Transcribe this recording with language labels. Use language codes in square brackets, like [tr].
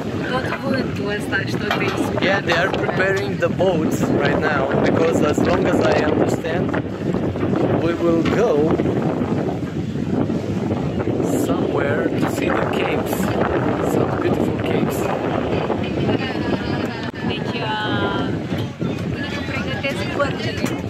[ro] Tot vântul ăsta și tot aici. [en] Yeah, they are preparing the boats right now because as long as I understand, we will go somewhere to see the caves. Some beautiful caves. [ro] Deci, până când pregătesc bărcile.